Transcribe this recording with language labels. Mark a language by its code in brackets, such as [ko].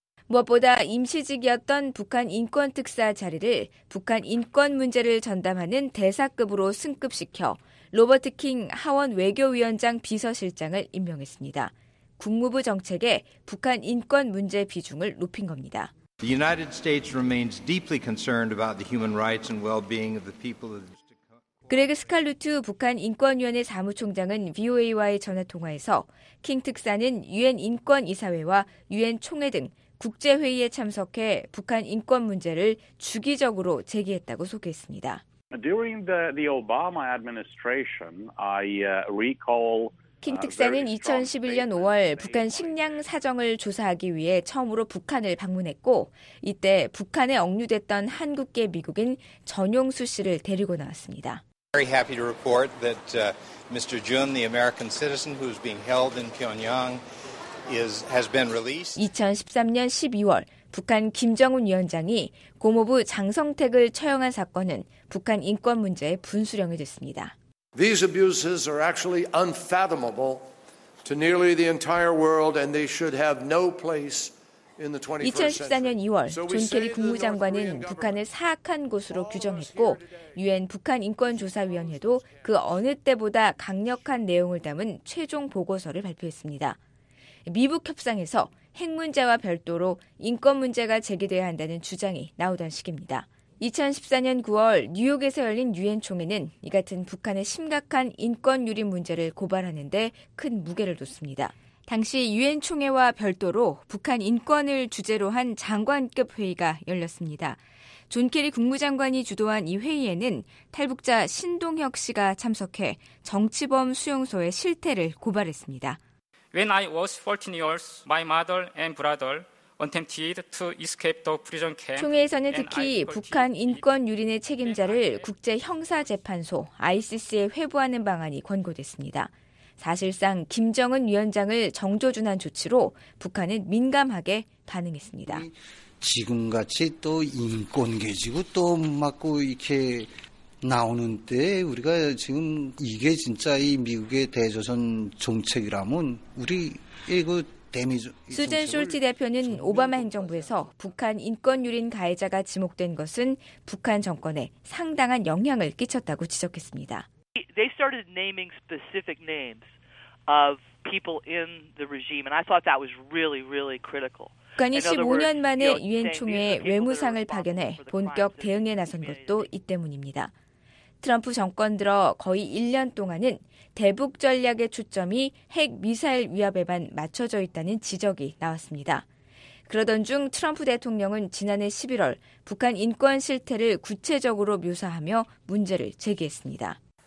[ko] 무엇보다 임시직이었던 북한 인권 특사 자리를 북한 인권 문제를 전담하는 대사급으로 승급시켜 로버트 킹 하원 외교위원장 비서실장을 임명했습니다. 국무부 정책에 북한 인권 문제 비중을 높인 겁니다. [en] The United States remains deeply concerned about the human rights and well-being of the people of the [ko] 그레그 스칼루트 북한 인권위원회 사무총장은 VOA와의 전화통화에서 킹 특사는 유엔 인권이사회와 유엔 총회 등 국제회의에 참석해 북한 인권 문제를 주기적으로 제기했다고 소개했습니다. [en] During the Obama administration, I recall [ko] 킹 특사는 2011년 5월 북한 식량 사정을 조사하기 위해 처음으로 북한을 방문했고 이때 북한에 억류됐던 한국계 미국인 전용수 씨를 데리고 나왔습니다. [en] Very happy to report that Mr. Jun, the American citizen who's being held in Pyongyang, has been released. [ko] 2013년 12월 북한 김정은 위원장이 고모부 장성택을 처형한 사건은 북한 인권 문제의 분수령이 됐습니다. [en] These abuses are actually unfathomable to nearly the entire world, and they should have no place in the 21st century. [ko] 2014년 2월, 존 케리 국무장관은 북한을 사악한 곳으로 규정했고, 유엔 북한 인권조사위원회도 그 어느 때보다 강력한 내용을 담은 최종 보고서를 발표했습니다. 미북 협상에서 핵 문제와 별도로 인권 문제가 제기돼야 한다는 주장이 나오던 시기입니다. 2014년 9월 뉴욕에서 열린 유엔 총회는 이 같은 북한의 심각한 인권 유린 문제를 고발하는 데 큰 무게를 뒀습니다. 당시 유엔 총회와 별도로 북한 인권을 주제로 한 장관급 회의가 열렸습니다. 존 케리 국무장관이 주도한 이 회의에는 탈북자 신동혁 씨가 참석해 정치범 수용소의 실태를 고발했습니다. [en] When I was 14 years, my mother and brother attempted to escape the prison camp. [ko] 총회에서는 특히 북한 인권 유린의 책임자를 국제 형사 재판소 ICC에 회부하는 방안이 권고됐습니다. 사실상 김정은 위원장을 정조준한 조치로 북한은 민감하게 반응했습니다. 지금같이 또 인권 개지고 또 맞고 이렇게 나오는 때 우리가 지금 이게 진짜 이 미국의 대조선 정책이라면 우리 이거 수잔 숄티 대표는 오바마 행정부에서 북한 인권 유린 가해자가 지목된 것은 북한 정권에 상당한 영향을 끼쳤다고 지적했습니다. [en] They started naming specific names of people in the regime, and I thought that was really, really critical. [ko] 북한이 15년 만에 유엔 총회에 외무상을 파견해 본격 대응에 나선 것도 이 때문입니다. 트럼프 정권 들어 거의 1년 동안은 대북 전략의 초점이 핵 미사일 위협에만 맞춰져 있다는 지적이 나왔습니다. 그러던 중 트럼프 대통령은 지난해 11월 북한 인권 실태를 구체적으로 묘사하며 문제를 제기했습니다.